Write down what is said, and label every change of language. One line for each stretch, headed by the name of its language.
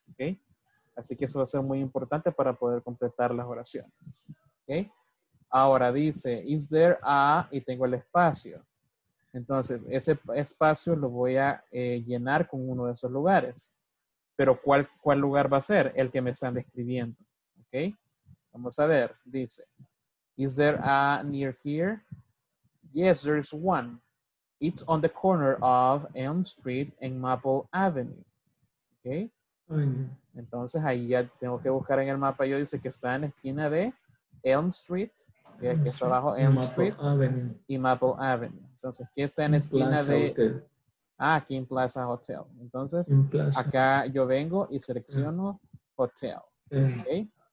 Spanish: Ok, así que eso va a ser muy importante para poder completar las oraciones. Ok, ahora dice,
English: is there a,
Spanish: y tengo el espacio. Entonces, ese espacio lo voy a llenar con uno de esos lugares. Pero, ¿cuál lugar va a ser? El que me están describiendo. Okay, vamos a ver, dice,
English: is there a near here? Yes, there is one. It's on the corner of Elm Street and Maple Avenue. Okay. Mm-hmm.
Spanish: Entonces ahí ya tengo que buscar en el mapa. Yo dice que está en la esquina de Elm Street. Y aquí está abajo Elm Street y Maple Avenue. Entonces, ¿qué está en la esquina de? Ah, aquí en Plaza Hotel. Entonces, acá yo vengo y selecciono Hotel. Okay.